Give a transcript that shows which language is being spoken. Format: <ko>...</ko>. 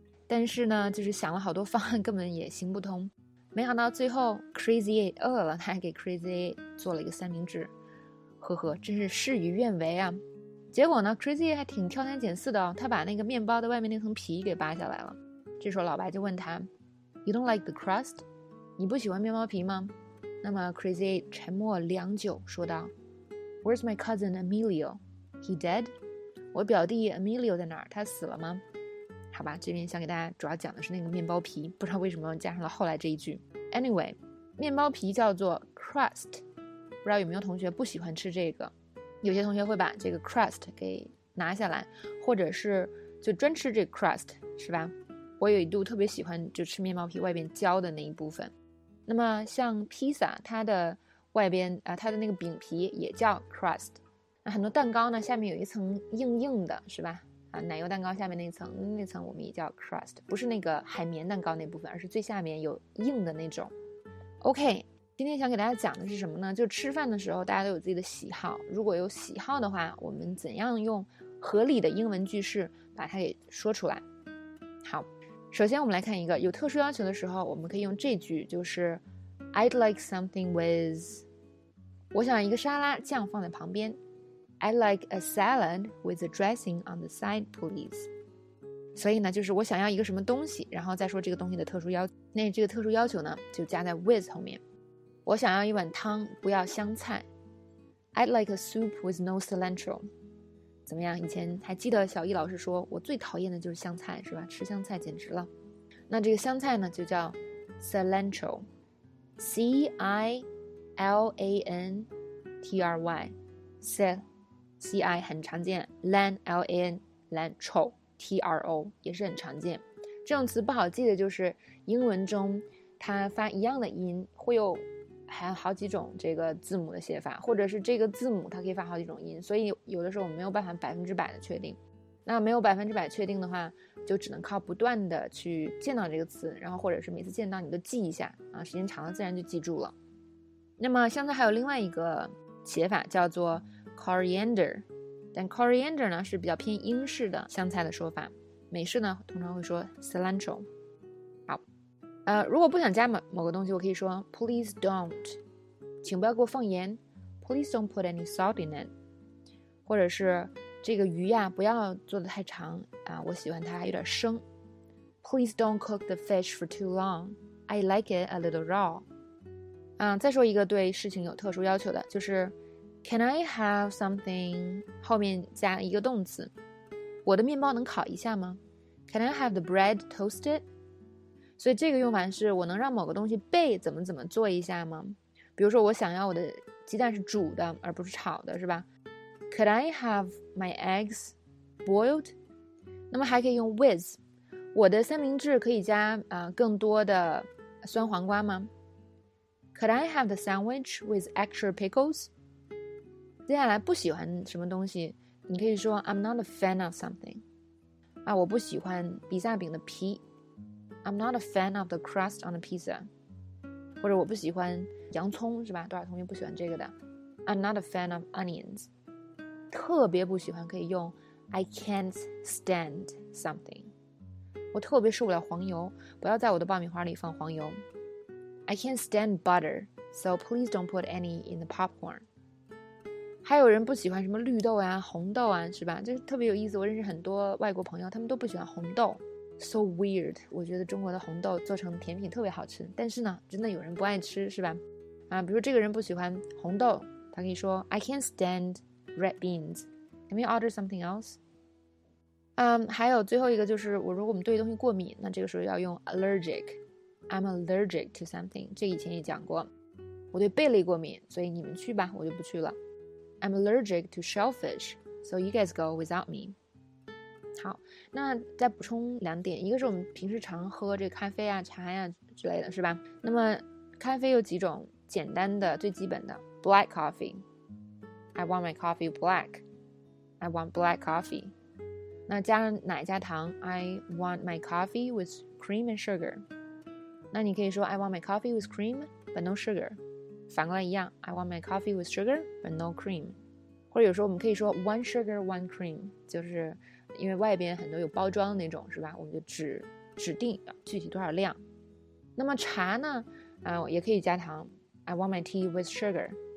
<zh>但是呢，就是想了好多方案，根本也行不通。没想到最后 Crazy Eight 饿了，他还给 Crazy Eight 做了一个三明治。呵呵，真是事与愿违啊。结果呢 ，Crazy 还挺挑三拣四的哦，他把那个面包的外面那层皮给扒下来了。这时候老白就问他 ：</zh> <en>“You don't like the crust？</en> <zh>你不喜欢面包皮吗？” 那么 Crazy 沉默良久，说道 ：</zh> <en>“Where's my cousin Emilio？ He dead？</en> <zh>我表弟 Emilio 在哪儿？他死了吗？” 好吧，这边想给大家主要讲的是那个面包皮，不知道为什么加上了后来这一句。 Anyway， 面包皮叫做 crust， 不知道有没有同学不喜欢吃这个。有些同学会把这个 crust 给拿下来，或者是就专吃这个 crust， 是吧？我有一度特别喜欢就吃面包皮外边焦的那一部分。那么像 pizza， 它的外边它的那个饼皮也叫 crust。那很多蛋糕呢，下面有一层硬硬的，是吧？奶油蛋糕下面那层，那层我们也叫 crust， 不是那个海绵蛋糕那部分，而是最下面有硬的那种。</zh> <en>OK。</en> <zh>今天想给大家讲的是什么呢？就吃饭的时候大家都有自己的喜好，如果有喜好的话，我们怎样用合理的英文句式把它给说出来。好，首先我们来看一个，有特殊要求的时候我们可以用这句，就是</zh> <en>I'd like something with，</en> <zh>我想一个沙拉酱放在旁边。</zh> <en>I'd like a salad with a dressing on the side please。</en> <zh>所以呢，就是我想要一个什么东西，然后再说这个东西的特殊要求，那这个特殊要求呢就加在 with 后面。我想要一碗汤，不要香菜。</zh> <en>I'd like a soup with no cilantro。</en> <zh>怎么样？以前还记得小易老师说，我最讨厌的就是香菜，是吧？吃香菜简直了。那这个香菜呢，就叫 cilantro， C I L A N T R Y， C I 很常见 ，lan L A N lan tro T R O 也是很常见。这种词不好记的就是英文中它发一样的音会有。还有好几种这个字母的写法，或者是这个字母它可以发好几种音，所以有的时候我们没有办法百分之百的确定。那没有百分之百确定的话，就只能靠不断的去见到这个词，然后或者是每次见到你都记一下啊，时间长了自然就记住了。那么香菜还有另外一个写法叫做 coriander， 但 coriander 呢是比较偏英式的香菜的说法，美式呢通常会说 cilantro。如果不想加某个东西，我可以说</zh> <en>Please don't，</en> <zh>请不要给我放盐。</zh> <en>Please don't put any salt in it。</en> <zh>或者是这个鱼呀，不要做得太长啊，我喜欢它有点生。</zh> <en>Please don't cook the fish for too long， I like it a little raw。</en> <zh>再说一个对事情有特殊要求的，就是</zh> <en>Can I have something</en> <zh>后面加一个动词，我的面包能烤一下吗？</zh> <en>Can I have the bread toasted？</en> <zh>所以这个用法是，我能让某个东西被怎么怎么做一下吗？比如说我想要我的鸡蛋是煮的而不是炒的，是吧？</zh> <en>Could I have my eggs boiled？</en> <zh>那么还可以用 with， 我的三明治可以加更多的酸黄瓜吗？</zh> <en>Could I have the sandwich with extra pickles？</en> <zh>接下来不喜欢什么东西，你可以说</zh> <en>I'm not a fan of something。</en> <zh>我不喜欢比萨饼的皮，</zh> <en>I'm not a fan of the crust on the pizza，</en> <zh>或者我不喜欢洋葱，是吧？多少同学不喜欢这个的？</zh> <en>I'm not a fan of onions，</en> <zh>特别不喜欢可以用</zh> <en>I can't stand something，</en> <zh>我特别受不了黄油，不要在我的爆米花里放黄油。</zh> <en>I can't stand butter， so please don't put any in the popcorn。</en> <zh>还有人不喜欢什么绿豆啊红豆啊，是吧？就是特别有意思，我认识很多外国朋友，他们都不喜欢红豆。</zh> <en>So weird，</en> <zh>我觉得中国的红豆做成甜品特别好吃，但是呢真的有人不爱吃，是吧？比如这个人不喜欢红豆，他可以说</zh> <en>I can't stand red beans， Can we order something else？</en> <zh>还有最后一个，就是我如果我们对东西过敏，那这个时候要用 allergic，</zh> <en>I'm allergic to something，</en> <zh>这以前也讲过，我对贝类过敏，所以你们去吧，我就不去了。</zh> <en>I'm allergic to shellfish， So you guys go without me。</en> <zh>好，那再补充两点，一个是我们平时常喝这个咖啡啊茶呀之类的，是吧？那么咖啡有几种简单的最基本的</zh> <en>black coffee， I want my coffee black， I want black coffee。</en> <zh>那加上奶加糖</zh> <en>I want my coffee with cream and sugar</en> <zh>那你可以说</zh> <en>I want my coffee with cream but no sugar</en> <zh>反过来一样</zh> <en>I want my coffee with sugar but no cream</en> <zh>或者有时候我们可以说</zh> <en>one sugar one cream</en> <zh>就是因为外边很多有包装的那种是吧我们就 指定具体多少量那么茶呢、也可以加糖</zh> <en>I want my tea with sugar</en>